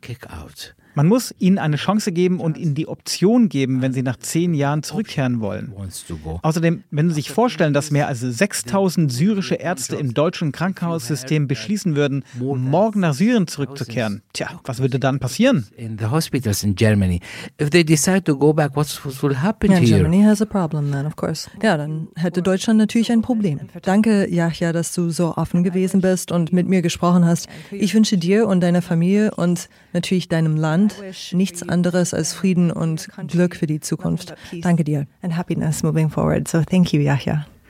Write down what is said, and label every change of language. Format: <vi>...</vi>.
<en>Kick out.</en> <de>Man muss ihnen eine Chance geben und ihnen die Option geben, wenn sie nach 10 Jahren zurückkehren wollen. Außerdem, wenn Sie sich vorstellen, dass mehr als 6.000 syrische Ärzte im deutschen Krankenhaussystem beschließen würden, morgen nach Syrien zurückzukehren, tja, was würde dann passieren?</de> <en>In the hospitals in Germany, if they decide to go back, what will happen here? Germany has a problem, then of course.</en> <de>Ja, dann hätte Deutschland natürlich ein Problem. Danke, Yahya, dass du so offen gewesen bist und mit mir gesprochen hast. Ich wünsche dir und deiner Familie und natürlich deinem Land nichts anderes als Frieden und Glück für die Zukunft. Danke dir.</de> <en>And happiness moving forward. So thank you, Yahya.</en>